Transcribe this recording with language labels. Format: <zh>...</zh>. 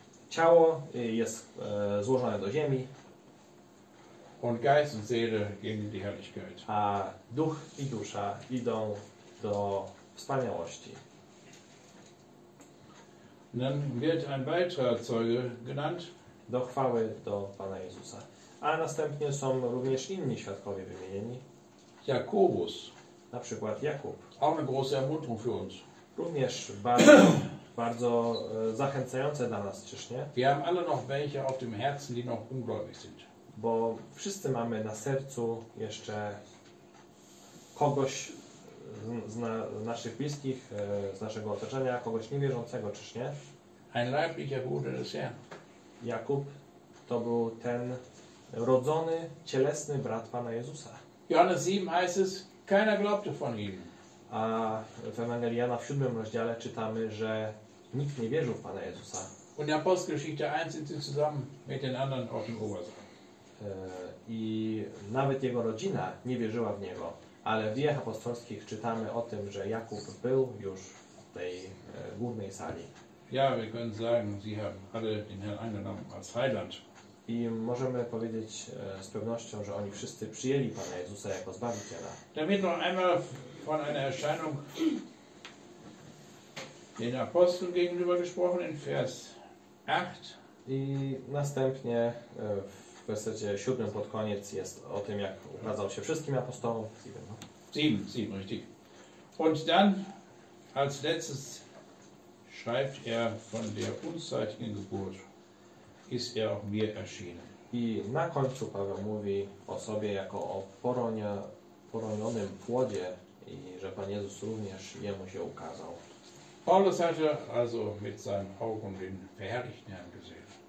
<pl>Ciało jest złożone do ziemi.</pl> <de>Und Geist und Seele gehen in die Herrlichkeit.</de> <pl>A duch i dusza idą do wspaniałości.</pl> <de>Und dann wird ein weiterer Zeuge genannt.</de> <pl>Do chwały do Pana Jezusa. A następnie są również inni świadkowie wymienieni.</pl> <de>Jakubus.</de> <pl>Na przykład Jakub.</pl> <de>Auch eine große Ermutigung für uns.</de> <pl>Również bardzo, bardzo zachęcające dla nas, czyż nie?</pl> <de>Wir haben alle noch welche auf dem Herzen, die noch ungläubig sind.</de> <pl>Bo wszyscy mamy na sercu jeszcze kogoś z naszych bliskich, z naszego otoczenia, kogoś niewierzącego, czyż nie?</pl> <de>Ein leiblicher Bruder ist er.</de> <pl>Jakub to był ten rodzony, cielesny brat Pana Jezusa.</pl> <de>Johannes 7 heißt es, keiner glaubte von ihm.</de> <pl>A w Ewangelii Jana w 7 rozdziale czytamy, że nikt nie wierzył w Pana Jezusa.</pl> <de>Und Apostelgeschichte 1 sind sie zusammen mit den anderen auf dem Obersee.</de> <pl>I nawet jego rodzina nie wierzyła w niego, ale w Dziejach Apostolskich czytamy o tym, że Jakub był już w tej górnej sali.</pl> <de>Ja, wir können sagen, sie haben alle den Herrn angenommen als Heiland.</de> <pl>I możemy powiedzieć z pewnością, że oni wszyscy przyjęli Pana Jezusa jako Zbawiciela.</pl> <de>Damit noch einmal von einer Erscheinung den Aposteln gegenüber gesprochen in Vers 8.</de> <pl>I następnie w wersecie 7 pod koniec jest o tym, jak ukazał się wszystkim apostołom.</pl> <de>7, richtig. Und dann als letztes schreibt er von der unzeitigen Geburt, ist er auch mir erschienen.</de> <pl>I na końcu Paweł mówi o sobie jako o poronionym płodzie i że Pan Jezus również jemu się ukazał.</pl> <de>Paulus hatte also mit seinen Augen den verherrlichten Herrn gesehen.</de>